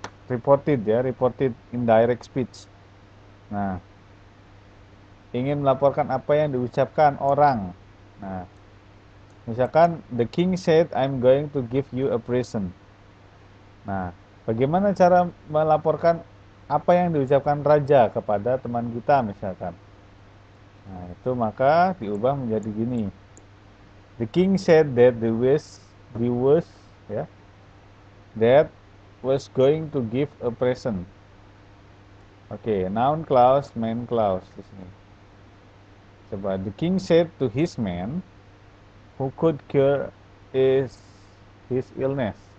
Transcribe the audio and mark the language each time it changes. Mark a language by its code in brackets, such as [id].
[id] Reported ya, reported indirect speech. Nah, ingin melaporkan apa yang diucapkan orang. Nah, misalkan [en] the king said I'm going to give you a present. [id] Nah, bagaimana cara melaporkan apa yang diucapkan raja kepada teman kita misalkan? Nah, itu maka diubah menjadi gini. [en] The king said that that was going to give a present. Oke, noun clause, main clause [id] di sini. Coba [en] the king said to his man who could cure his illness.